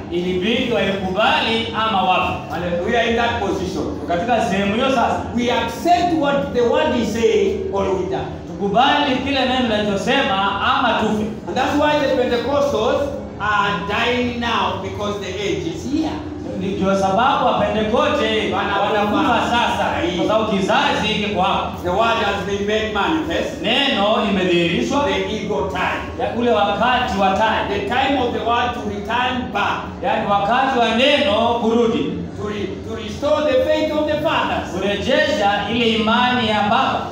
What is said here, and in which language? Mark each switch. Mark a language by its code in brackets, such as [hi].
[sw] Ilibidi waikubali ama wafu. [en] Hallelujah, in that position. [sw] Katika sehemu hiyo sasa. [en] We accept what the word is saying or we die. [sw] Kubali kile neno linachosema ama tufe. [en] And that's why the Pentecostals are dying now because the age is here. [sw] Ni kwa sababu wa Pentecoste wanakufa sasa kwa sababu kizazi hiki kwa hapa. [en] The word has been made manifest. [sw] Neno limedhihirishwa. [en] The ego time. [sw] Ya ule wakati wa time. [en] The time of the word to return back. [sw] Yaani wakati wa neno kurudi. [en] To restore the faith of the fathers. [sw] Kurejesha ile imani ya baba.